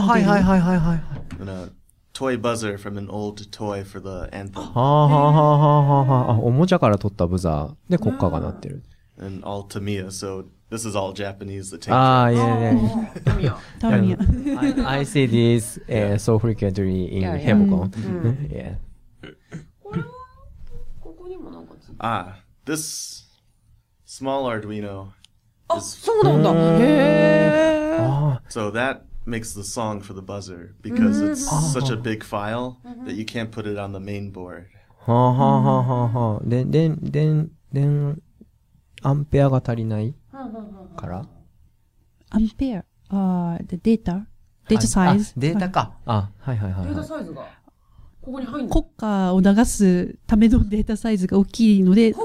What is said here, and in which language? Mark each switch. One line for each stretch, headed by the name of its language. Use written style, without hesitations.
Japanese: ああ、はいはいはいはいはい。
English: あの、toy buzzer from an old toy for the anthem.
Japanese: はあはあはあはあはあはあ。おもちゃから取ったブザーで国歌が鳴ってる。
English: And all Tamiya, so this is all Japanese, the
Japanese: tape. ああ、いやいや。 Tamiya。
English: I see this、so frequently in Hebokon.
Japanese: これは、ここにもなんか
English: ああ、this... Small Arduino.
Japanese: あ、そうなんだ。へぇー。
English: So that makes the song for the buzzer because it's such a big file that you can't put it on the main board.
Japanese: はぁはぁはぁはぁはぁ。電、アンペアが足りないから。アンペア、データ、データサイズ。あ、データか。あ、はいはいはい。データサイズが。ここに入る国家を流すためのデータサイズが大きいので、